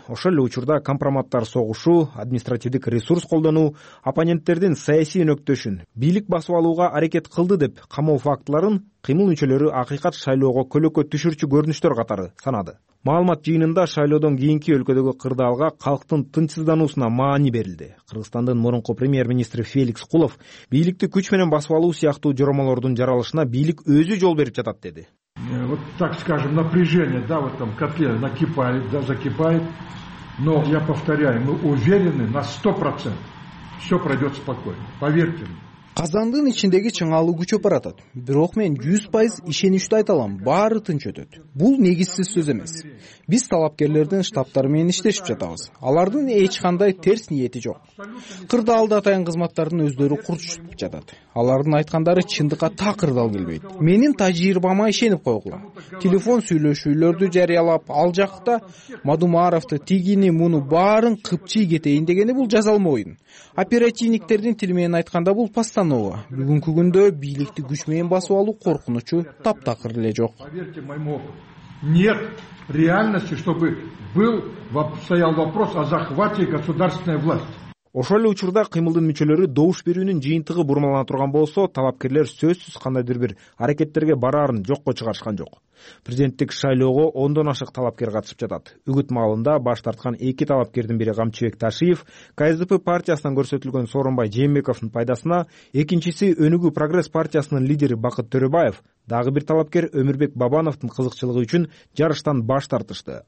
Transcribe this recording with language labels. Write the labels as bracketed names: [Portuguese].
[Kyrgyz] Ошол эле учурда компроматтар согушу, административдик ресурс колдонуу, оппоненттердин саясий өнөктөшүн, бийлик басып алууга аракет кылды деп камоо фактыларын кыймыл мүчөлөрү акыйкат шайлоого көлөкө түшүрчү көрүнүштөр катары санады. Маалымат жыйынында шайлоодон кийинки өлкөдөгү кырдаалга калктын тынчсыздануусуна маани берилди. Кыргызстандын мурунку премьер-министри Феликс Кулов бийликти күч менен басып алуу сыяктуу жоромолордун жаралышына бийлик өзү жол берип жатат деди. [Russian] Вот так скажем, напряжение, да, в этом котле накипает, да, закипает. Но я повторяю, мы уверены на 100%. Всё пройдёт спокойно. Поверьте мне. [Kyrgyz] Казандын ичиндеги чыңалуу күчөп баратат. Бирок мен 100% ишеничтүү айта алам, баары тынч өтөт. Бул негизсиз сөз эмес. Биз талапкерлердин штабтары менен иштешип жатабыз. Алардын эч кандай терс ниети жок. Кырдаалда атайын кызматтардын өздөрү курчутуп жатат. Алардын айткандары чындыкка так кырдаал келбейт. Менин тажрыйбама ишенип койгула. Телефон сүйлөшүүлөрдү жарыялап, ал жакта Мадумаровду, тигини, муну баарын кыпчый кетейин дегени бул жазалмоюн. Оперативниктердин тили менен айтканда бул постанова. Бүгүнкү күндө бийликти күч менен басып алуу коркунучу таптакыр эле жок. [Russian] Поверьте моему опыту. Нет реальности, чтобы был стоял вопрос о захвате государственной власти. [Kyrgyz] Ошол эле учурда кыймылдын мүчөлөрү добуш берүүнүн жыйынтыгы бурмалана турган болсо, талапкерлер сөзсүз кандайдыр бир аракеттерге бараарын жокко чыгарышкан жок. Президенттик шайлоого 10 ашык талапкер катышып жатат. Үгүт маалында баш тарткан эки талапкердин бири Камчыбек Ташиев, КСДП партиясынан көрсөтүлгөн Сооронбай Жээнбековдун пайдасына, экинчиси Өнүгүү Прогресс партиясынын лидери Бакыт Төрөбаев, дагы бир талапкер Өмүрбек Бабановдун кызыкчылыгы үчүн жарыштан баш тартышты.